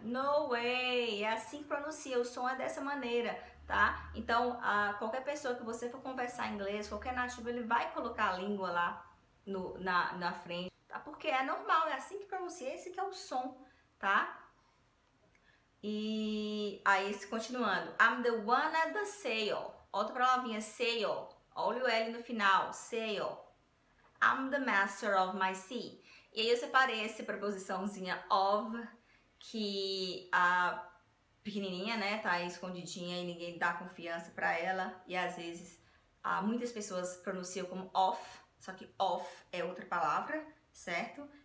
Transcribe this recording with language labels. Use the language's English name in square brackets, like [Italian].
[English] No way! [Portuguese] É assim que pronuncia, o som é dessa maneira, tá? Então, qualquer pessoa que você for conversar inglês, qualquer nativo, ele vai colocar a língua lá no, na frente, tá? Porque é normal, é assim que pronuncia, esse que é o som, tá? E aí, continuando, [English] I'm the one at the sail, [Portuguese] outra palavrinha, sail, olha o L no final, sail, [English] I'm the master of my sea. [Portuguese] E aí eu separei essa preposiçãozinha of, que a pequenininha, né, tá aí escondidinha e ninguém dá confiança pra ela, e às vezes muitas pessoas pronunciam como off, só que off é outra palavra, certo?